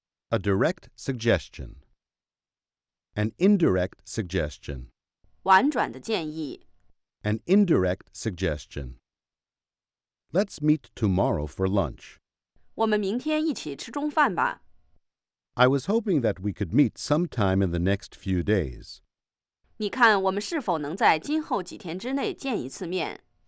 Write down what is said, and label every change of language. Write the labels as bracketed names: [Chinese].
[English] A direct suggestion. An indirect suggestion. [Chinese] 婉转的建议。 [English] An indirect suggestion. Let's meet tomorrow for lunch. [Chinese] 我们明天一起吃中饭吧。 [English] I was hoping that we could meet sometime in the next few days. [Chinese] 你看我们是否能在今后几天之内见一次面。